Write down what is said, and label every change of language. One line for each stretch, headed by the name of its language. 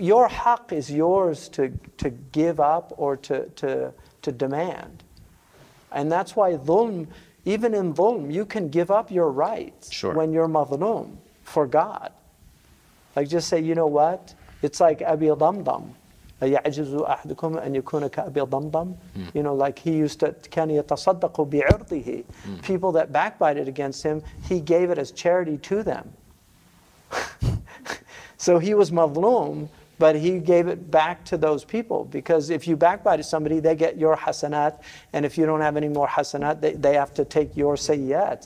English: Your haq is yours to give up or to demand. And that's why dhulm, even in dhulm, you can give up your rights when you're madhulum for God. Like just say, you know what? It's like Abi Dhamdham.
Arabic: أَيَعْجِزُ أَحْدُكُمْ أَنْ يَكُونَ كَأَبِي ضَمْضَمْ.
English: You know, like he used to,
Arabic: كَانِ يَتَصَدَّقُ بِعِرْضِهِ.
English: People that backbited against him, he gave it as charity to them. So he was mazlum, but he gave it back to those people. Because if you backbite somebody, they get your hasanat. And if you don't have any more hasanat, they have to take your sayyat.